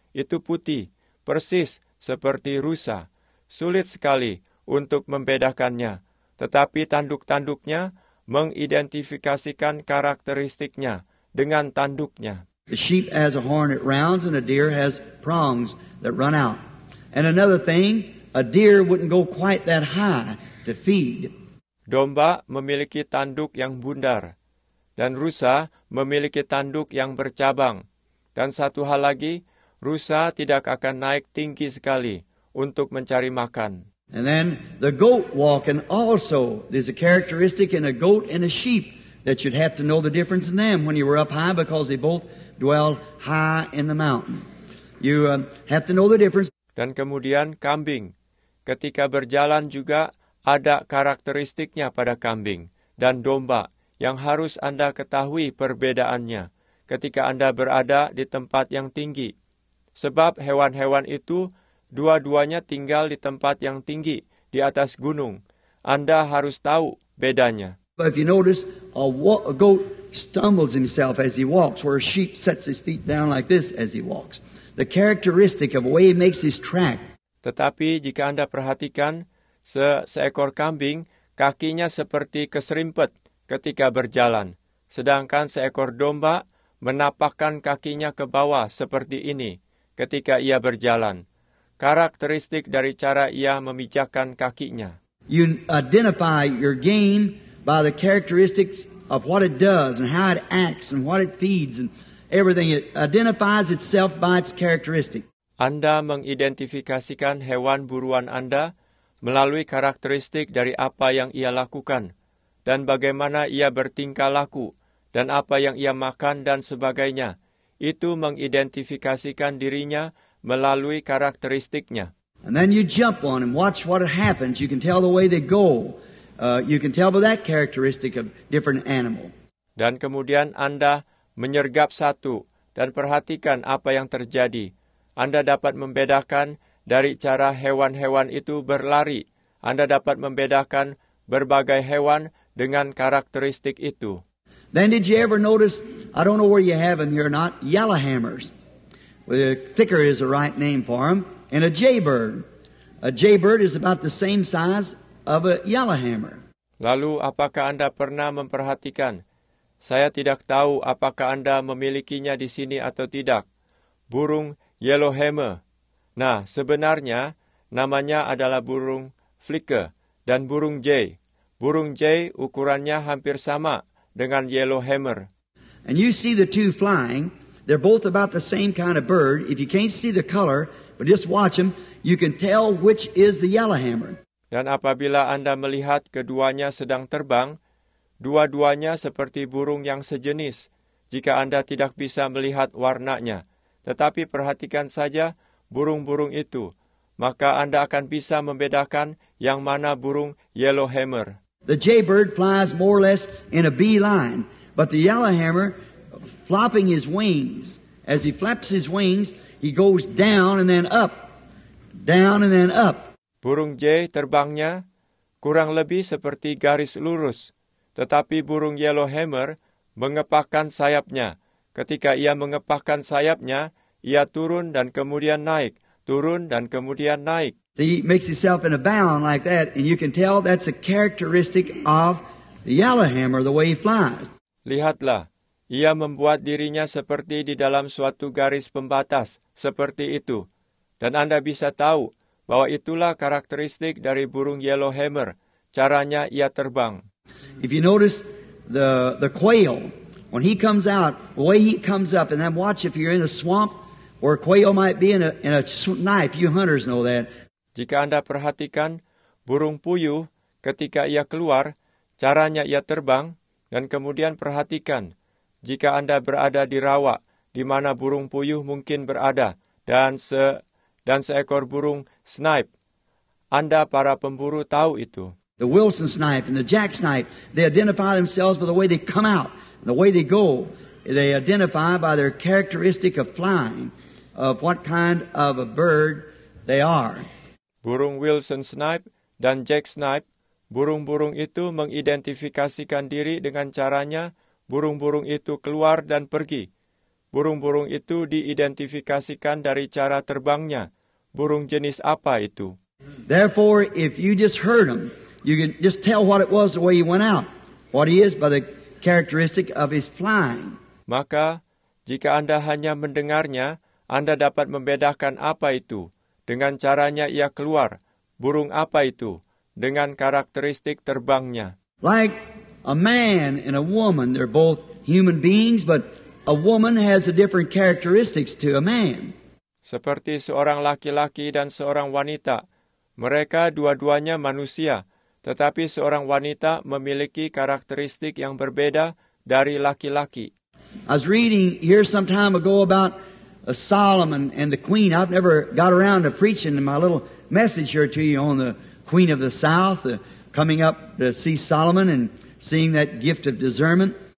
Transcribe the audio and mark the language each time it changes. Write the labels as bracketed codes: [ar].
[id] Itu putih, persis seperti rusa. Sulit sekali untuk membedakannya. Tetapi tanduk-tanduknya mengidentifikasikan karakteristiknya dengan tanduknya. [en] The sheep has a horn that rounds, and a deer has prongs that run out. And another thing, a deer wouldn't go quite that high to feed. [id] Domba memiliki tanduk yang bundar, dan rusa memiliki tanduk yang bercabang. Dan satu hal lagi, rusa tidak akan naik tinggi sekali untuk mencari makan. [en] And then the goat walking also, there's a characteristic in a goat and a sheep. that you'd have to know the difference in them when you were up high, because they both dwell high in the mountain. You have to know the difference. [id] Dan kemudian kambing. Ketika berjalan juga ada karakteristiknya pada kambing dan domba yang harus Anda ketahui perbedaannya ketika Anda berada di tempat yang tinggi. Sebab hewan-hewan itu dua-duanya tinggal di tempat yang tinggi, di atas gunung. Anda harus tahu bedanya. [en] But if you notice, a goat stumbles himself as he walks, where a sheep sets his feet down like this as he walks. The characteristic of the way he makes his track. [id] Tetapi jika Anda perhatikan, seekor kambing, kakinya seperti keserimpet ketika berjalan. Sedangkan seekor domba menapakkan kakinya ke bawah seperti ini ketika ia berjalan. Karakteristik dari cara ia memijakkan kakinya. [en] You identify your game by the characteristics of what it does and how it acts and what it feeds and everything. It identifies itself by its characteristic. [id] Anda mengidentifikasikan hewan buruan Anda melalui karakteristik dari apa yang ia lakukan dan bagaimana ia bertingkah laku dan apa yang ia makan dan sebagainya. Itu mengidentifikasikan dirinya melalui karakteristiknya. [en] And then you jump on and watch what happens. You can tell the way they go. You can tell by that characteristic of different animal. [id] Dan kemudian Anda menyergap satu dan perhatikan apa yang terjadi. Anda dapat membedakan dari cara hewan-hewan itu berlari. Anda dapat membedakan berbagai hewan dengan karakteristik itu. [en] Then did you ever notice, I don't know where you have them here or not, yellowhammers. Well, thicker is the right name for them. And a jaybird. A jaybird is about the same size of a yellowhammer. [id] Lalu apakah Anda pernah memperhatikan? Saya tidak tahu apakah Anda memilikinya di sini atau tidak. Burung yellowhammer. Nah, sebenarnya namanya adalah burung flicker dan burung jay. Burung jay ukurannya hampir sama dengan yellowhammer. [en] And you see the two flying, they're both about the same kind of bird. If you can't see the color, but just watch them, you can tell which is the yellowhammer. [id] Dan apabila Anda melihat keduanya sedang terbang, dua-duanya seperti burung yang sejenis, jika Anda tidak bisa melihat warnanya. Tetapi perhatikan saja burung-burung itu, maka Anda akan bisa membedakan yang mana burung yellowhammer. [en] The jaybird flies more or less in a bee line, but the yellowhammer, flapping his wings, as he flaps his wings, he goes down and then up, down and then up. [id] Burung jay terbangnya kurang lebih seperti garis lurus, tetapi burung yellowhammer mengepakkan sayapnya. Ketika ia mengepakkan sayapnya, ia turun dan kemudian naik, turun dan kemudian naik. [en] He makes himself in a bound like that, and you can tell that's a characteristic of the yellowhammer, the way he flies. [id] Lihatlah, ia membuat dirinya seperti di dalam suatu garis pembatas, seperti itu. Dan Anda bisa tahu bahwa itulah karakteristik dari burung yellowhammer, caranya ia terbang. [en] If you notice the quail, when he comes out, the way he comes up, and then watch if you're in a swamp where a quail might be in a knife, you hunters know that. [id] Jika Anda perhatikan burung puyuh ketika ia keluar, caranya ia terbang, dan kemudian perhatikan jika Anda berada di rawa di mana burung puyuh mungkin berada dan seekor burung snipe. Anda para pemburu tahu itu. [en] The Wilson snipe and the Jack snipe, they identify themselves by the way they come out, the way they go. They identify by their characteristic of flying, of what kind of a bird they are. [id] Burung Wilson snipe dan Jack snipe, burung-burung itu mengidentifikasikan diri dengan caranya burung-burung itu keluar dan pergi. Burung-burung itu diidentifikasikan dari cara terbangnya. Burung jenis apa itu? [en] Therefore, if you just heard him, you can just tell what it was the way he went out, what he is by the characteristic of his flying. [id] Maka, jika Anda hanya mendengarnya, Anda dapat membedakan apa itu dengan caranya ia keluar, burung apa itu dengan karakteristik terbangnya. [en] Like a man and a woman, they're both human beings, but a woman has a different characteristics to a man. [id] Seperti seorang laki-laki dan seorang wanita, mereka dua-duanya manusia, Tetapi seorang wanita memiliki karakteristik yang berbeda dari laki-laki. [en] I was reading here some time ago about Solomon and the queen. I've never got around to preaching in my little message here to you on the queen of the south, coming up to see Solomon and seeing that gift of discernment.